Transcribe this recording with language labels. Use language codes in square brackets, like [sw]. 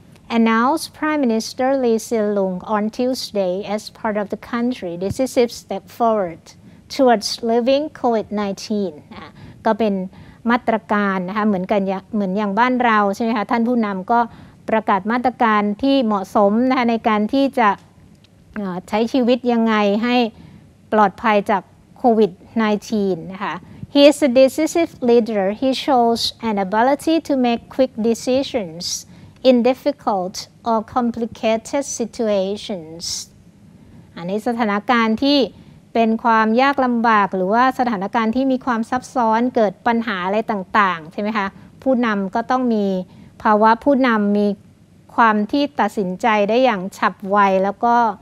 [en] Announced Prime Minister Lee Hsien Loong on Tuesday as part of the country decisive step forward towards living COVID-19 [th] นะก็เป็นมาตรการนะคะเหมือนอย่างบ้านเราใช่ไหมคะท่านผู้นำก็ประกาศมาตรการที่เหมาะสมนะคะในการที่จะใช้ชีวิตยังไงให้ปลอดภัยจากCOVID-19 นะคะ [en] He is a decisive leader. He shows an ability to make quick decisions in difficult or complicated situations. [th] อันนี้สถานการณ์ที่เป็นความยากลำบากหรือว่าสถานการณ์ที่มีความซับซ้อนเกิดปัญหาอะไรต่างๆใช่ไหมคะผู้นำก็ต้องมีภาวะผู้นำมีความที่ตัดสินใจได้อย่างฉับไวแล้วก็